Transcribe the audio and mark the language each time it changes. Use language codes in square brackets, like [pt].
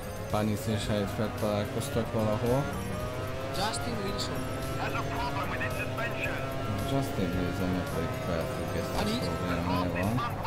[hu] Panis és Heidfeld találkoztak valahol. Justin Wilson. [en] Has a problem with his suspension. [hu] Justin Wilson pedig felfüggesztett a problémájában.